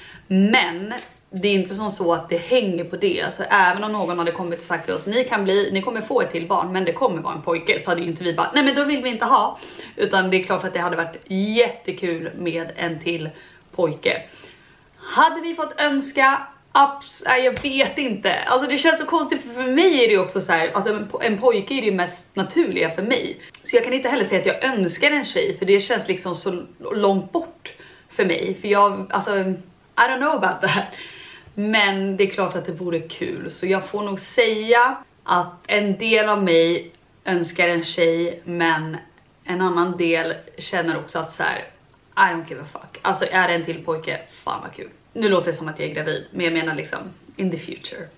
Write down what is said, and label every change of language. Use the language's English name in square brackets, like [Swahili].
[Swedish] men det är inte som så att det hänger på det, alltså även om någon hade kommit och sagt till oss, ni kommer få ett till barn, men det kommer vara en pojke, så hade ju inte vi bara, nej men då vill vi inte ha, utan det är klart att det hade varit jättekul med en till pojke. Hade vi fått önska? Jag vet inte, alltså det känns så konstigt, för mig är det också så här, alltså en pojke är det mest naturliga för mig. Så jag kan inte heller säga att jag önskar en tjej, för det känns liksom så långt bort för mig. För jag, alltså, [English] I don't know about that. [Swedish] Men det är klart att det vore kul, så jag får nog säga att en del av mig önskar en tjej, men en annan del känner också att så här, [English] I don't give a fuck. [Swedish] Alltså är det en till pojke, fan vad kul. Nu låter det som att jag är gravid, men jag menar liksom [English] in the future.